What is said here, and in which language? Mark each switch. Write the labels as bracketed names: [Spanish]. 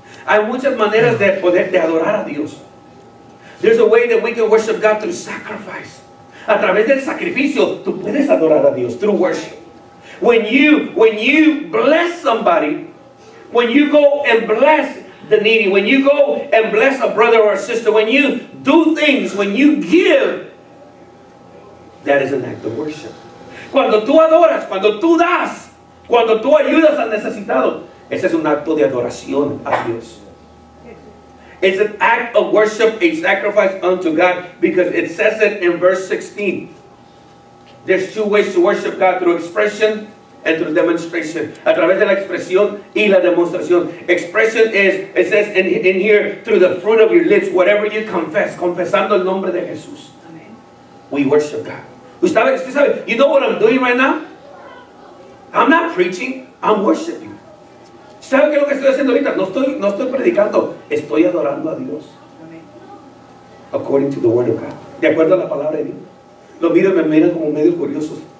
[Spanish] Hay muchas maneras de poder de adorar a Dios. [English] There's a way that we can worship God through sacrifice. [Spanish] A través del sacrificio, tú puedes adorar a Dios [English] through worship. When you bless somebody, when you go and bless the needy, when you go and bless a brother or a sister, when you do things, when you give, that is an act of worship. [Spanish] Cuando tú adoras, cuando tú das, cuando tú ayudas al necesitado, ese es un acto de adoración a Dios. [English] It's an act of worship, a sacrifice unto God, because it says it in verse 16. There's two ways to worship God, through expression and through demonstration. [Spanish] A través de la expresión y la demostración. [English] Expression is, it says in here, through the fruit of your lips, whatever you confess, [Spanish] confesando el nombre de Jesús. [English] Amen. We worship God. [Spanish] Usted sabe, [English] you know what I'm doing right now? I'm not preaching, I'm worshiping. [Spanish] ¿Sabe qué es lo que estoy haciendo ahorita? No estoy predicando, estoy adorando a Dios. [English] Amen. According to the word of God. [Spanish] De acuerdo a la palabra de Dios. Lo miro y me miran como medio curioso.